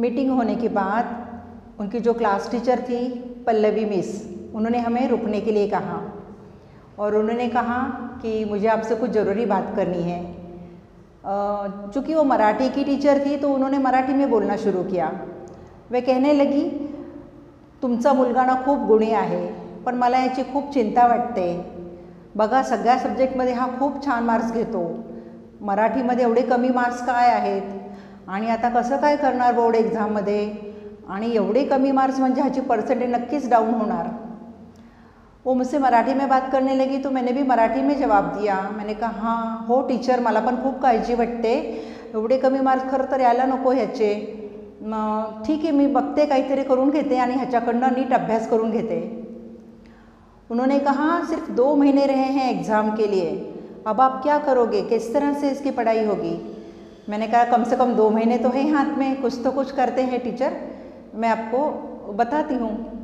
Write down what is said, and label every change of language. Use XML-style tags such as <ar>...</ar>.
<hi>Meeting होने के बाद उनकी जो क्लास टीचर थी पल्लवी मिस, उन्होंने हमें रुकने के लिए कहा और उन्होंने कहा कि मुझे आपसे कुछ ज़रूरी बात करनी है। चूँकि वो मराठी की टीचर थी तो उन्होंने मराठी में बोलना शुरू किया। वे कहने लगी,</hi> <mr>तुमचा मुलगाना खूप गुणी आहे पण मला याची खूप चिंता वाटते। बघा, सगळ्या सब्जेक्टमध्ये हा खूप छान मार्क्स घेतो, मराठीमध्ये एवढे कमी मार्क्स काय आहेत आणि आता कसं काय करणार बोर्ड एग्जाममध्ये, आणि एवढे कमी मार्क्स म्हणजे ह्याची पर्सेंटेज नक्कीच डाऊन होणार।</mr> <hi>वो मुझसे मराठी में बात करने लगी तो मैंने भी मराठी में जवाब दिया। मैंने कहा,</hi> <mr>हाँ हो टीचर, मला पण खूप काळजी वाटते, एवढे कमी मार्क्स खरं तर यायला नको ह्याचे, ठीक आहे मी बघते काहीतरी करून घेते आणि ह्याच्याकडनं नीट अभ्यास करून घेते।</mr> <hi>उन्होंने कहा, सिर्फ 2 महीने रहे हैं एग्ज़ाम के लिए, अब आप क्या करोगे, किस तरह से इसकी पढ़ाई होगी। मैंने कहा, कम से कम 2 महीने तो है हाथ में, कुछ तो कुछ करते हैं टीचर, मैं आपको बताती हूँ।</hi>